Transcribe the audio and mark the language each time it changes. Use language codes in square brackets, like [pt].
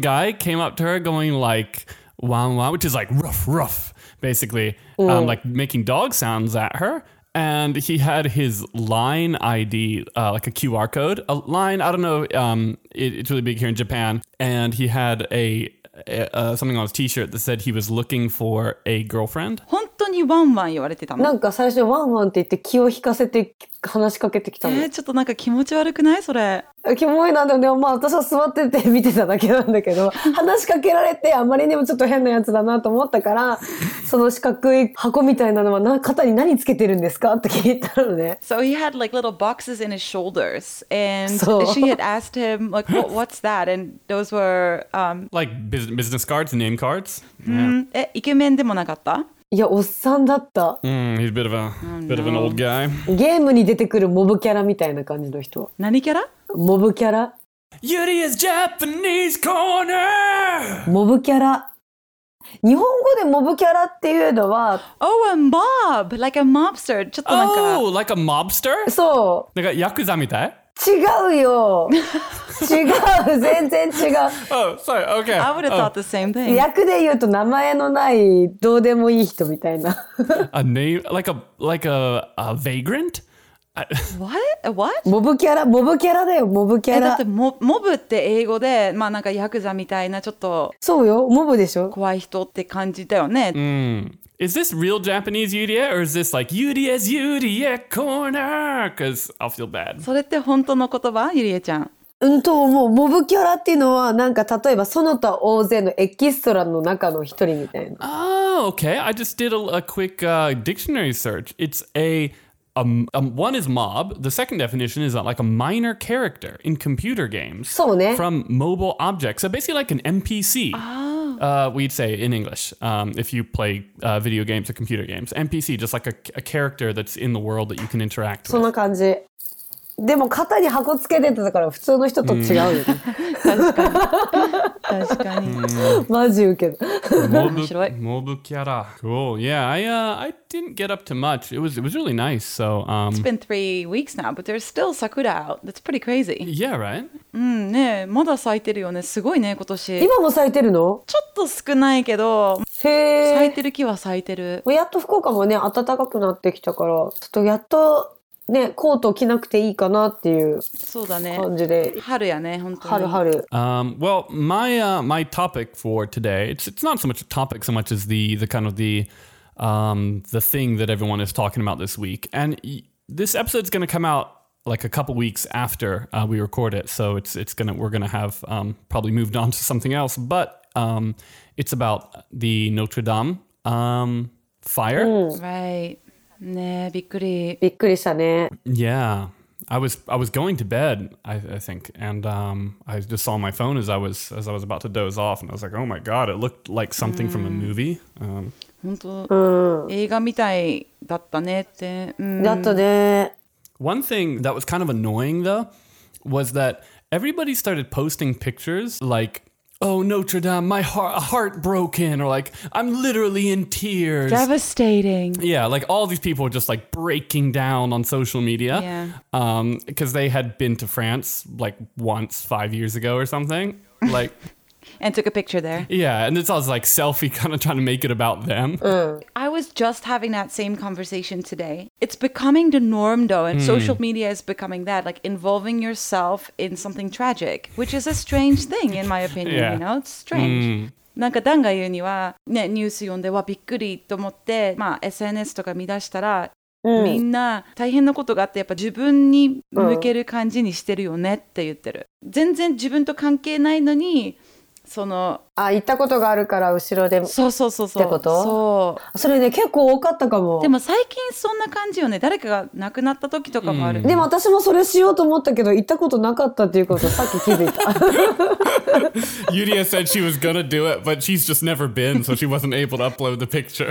[en] guy came up to her going like wow wow, which is like ruff ruff basically, like making dog sounds at her, and he had his line ID, like a QR code, a line, I don't know, it's really big here in Japan, and he had asomething on his t-shirt that said he was looking for a girlfriend. [ja] 本当にワンワン言われてたの？なんか最初ワンワンって言って気を引かせて話しかけてきたの。ちょっとなんか気持ち悪くないそれ。キモいな。でもまあ私は座ってて見てただけなんだけど、話しかけられてあまりにもちょっと変なやつだなと思ったから、その四角い箱みたいなのは肩に何つけてるんですかって聞いたのね。 [en] So he had like little boxes in his shoulders, and she had asked him like what's that, and those were like business cards, name cards. [ja] イケメンでもなかった？いや、おっさんだった。 [en] He's a bit of a, bit of an old guy. [ja] ゲームに出てくるモブキャラみたいな感じの人。何キャラ？モブキャラ。 [en] Yuria's Japanese Corner! [ja] モブキャラ。日本語でモブキャラっていうのは、 [en] Oh, a mob! Like a mobster. [ja] ちょっとなんか。 [en] Oh, like a mobster? [ja] そう。なんかヤクザみたい？違うよ。違う。全然違う。 [en] Oh, sorry. Okay. I would have thought the same thing. [ja] 役で言うと名前のないどうでもいい人みたいな。 [en] A name? Like a vagrant? What? [ja] モブキャラ、モブキャラだよ、モブキャラ。だってモブって英語で、まあなんかヤクザみたいなちょっと。そうよ、モブでしょ。怖い人って感じだよね。 Mm. [en] Is this real Japanese Yuria, or is this like Yuria's Yuria Corner? Because I'll feel bad. [ja] それって本当の言葉、ゆりえちゃん。もうモブキャラっていうのはなんか例えばその他大勢のエキストラの中の一人みたいな。 [en] Oh, okay. I just did a quick dictionary search. It's one is mob. The second definition is like a minor character in computer games. [ja] そうね。 [en] From mobile objects. So basically like an NPC. We'd say in English, if you play video games or computer games. NPC, just like a character that's in the world that you can interact with. [ja] そんな感じ。でも肩に箱つけてたから普通の人と違うよ。確かに。確かに。マジウケる。面白い。モブキャラ。 [en] Cool. Yeah, I didn't get up to much. It was really nice, so... It's been 3 weeks now, but there's still sakura out. That's pretty crazy. Yeah, right? [ja] ねえ、まだ咲いてるよね。すごいね、今年。今も咲いてるの？ちょっと少ないけど。へえ。咲いてる木は咲いてる。やっと福岡もね、暖かくなってきたから、ちょっとやっとね、コート着なくていいかなっていう感じで。そうだね。春やね、本当に。春春。 [en] Well, my topic for today, it's not so much a topic so much as the kind of the thing that everyone is talking about this week. And this episode is going to come out like a couple weeks after we record it. So we're going to have probably moved on to something else. But it's about the Notre Dame fire. Right. [ja] ね、びっくり。びっくりしたね。 [en] Yeah. I was going to bed, I think. And I just saw my phone as I was about to doze off. And I was like, oh my God, it looked like something from a movie. [ja] 本当、映画みたいだったねって、だったね。 [en] One thing that was kind of annoying though was that everybody started posting pictures like, oh Notre Dame, my heart broken, or like, I'm literally in tears. Devastating. Yeah, like all these people were just like breaking down on social media. Yeah. Because they had been to France like once 5 years ago or something. Like... And took a picture there. Yeah, and it's always like selfie, kind of trying to make it about them. I was just having that same conversation today. It's becoming the norm, though, and social media is becoming that, like involving yourself in something tragic, which is a strange thing, in my opinion. Yeah. You know, it's strange. [ja] なんかダンが言うにはね、ニュース読んではびっくりと思って、まあ SNS とか見出したら。みんな大変なことがあってやっぱ自分に向ける感じにしてるよねって言ってる。全然自分と関係ないのに。そのあ行ったことがあるから後ろでそうってことそうそれね結構多かったかもでも最近そんな感じよね誰かが亡くなった時とかもある、うん、でも私もそれしようと思ったけど行ったことなかったっていうことさっき気づいた [en] Yuria said she was gonna do it but she's just never been so she wasn't able to upload the picture